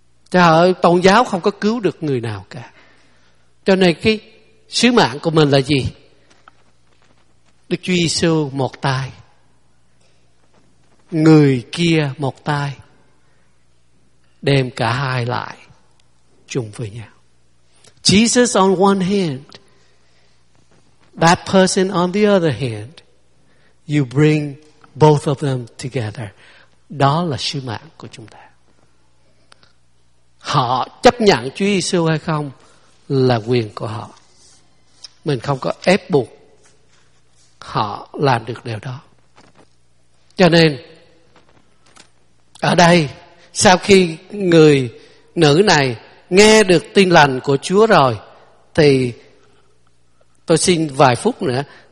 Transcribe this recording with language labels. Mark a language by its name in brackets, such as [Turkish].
[Vietnamese] Trời ơi, tôn giáo không có cứu được người nào cả. Cho nên cái sứ mạng của mình là gì? Đức Chúa Giê-xu một tay, người kia một tay, đem cả hai lại chung với nhau. [English] Jesus on one hand, that person on the other hand, you bring both of them together. [Vietnamese] Đó là sứ mạng của chúng ta. Họ chấp nhận Chúa Giê-xu hay không là quyền của họ. Mình không có ép buộc họ làm được điều đó. Cho nên ở đây, sau khi người nữ này nghe được tin lành của Chúa rồi, thì tôi xin vài phút nữa.